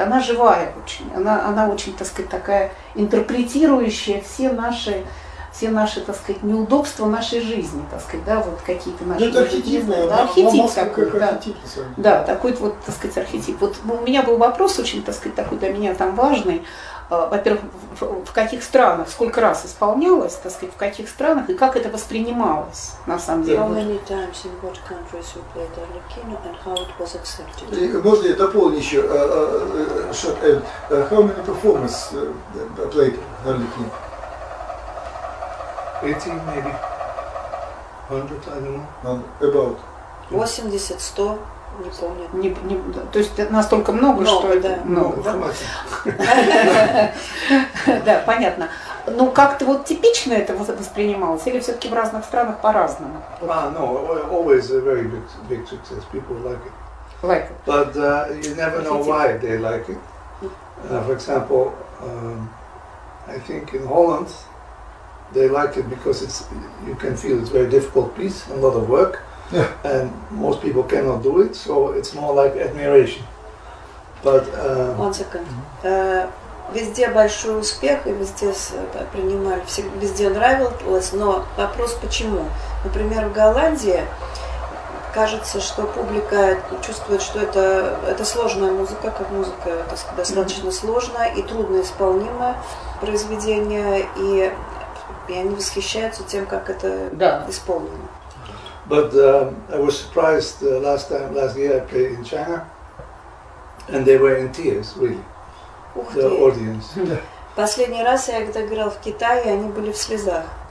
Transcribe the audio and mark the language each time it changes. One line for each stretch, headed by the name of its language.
Russian: Она живая очень, она очень, так сказать, такая интерпретирующая все наши, так сказать, неудобства нашей жизни, так сказать, да, вот какие-то наши... Это архетип. Да, такой вот, так сказать, архетип. Вот у меня был вопрос очень, так сказать, такой для меня там важный. Во-первых, в каких странах, сколько раз исполнялось, так сказать, в каких странах, и как это воспринималось, на самом деле.
English: How many times in what countries you played Arlecchino and how it was accepted?
Russian: Можно я дополню еще?
English: Short end. How many performances played Arlecchino? 80, maybe. 100, I don't know. About.
Russian: 80, 100. Не помню. То есть настолько много, что да. Много, хватит. Да, понятно. Ну, как-то вот типично это воспринималось, или все-таки в разных странах по-разному?
English: Always a very big success. People like it. Like it. But you never know why they like it. For example, I think in Holland they like it because you can feel it's a very difficult piece, a lot of work. Yeah. And most people cannot do it, so it's more like admiration. But one second.
Russian: Везде большой успех и везде принимали, везде нравилось, но вопрос почему? Например, в Голландии кажется, что публика чувствует, что это сложная музыка, как музыка достаточно сложная и трудноисполнимое произведение, и они восхищаются тем, как это исполнено.
English: But I was surprised last year I played in China, and they were in tears, really, the audience.
Russian: Последний раз я когда играл в Китае, они были в слезах.